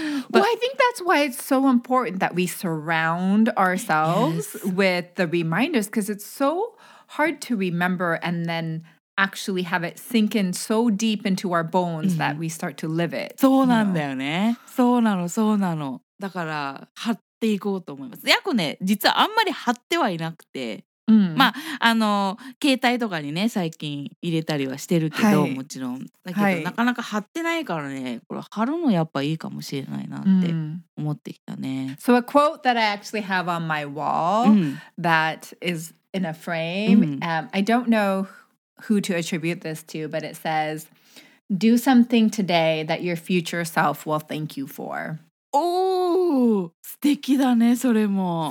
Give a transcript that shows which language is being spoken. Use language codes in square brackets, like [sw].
[en] But, Well I think that's why it's so important that we surround ourselves with the reminders because it's so hard to remember and then actually have it sink in so deep into our bones that we start to live it. [ja] そうなんだよね。そうなの、そうなの。だから貼っていこうと思います。やこね、実はあんまり貼ってはいなくて、まあ、あの、携帯とかにね、最近入れたりはしてるけど、もちろん。だけど、なかなか貼ってないからね、これ貼るのやっぱいいかもしれないなって思ってきたね。 [en] So a quote that I actually have on my wall that is in a frame, I don't know who to attribute this to, but it says, do something today that your future self will thank you for. [ja] Oh, 素敵だね、それも。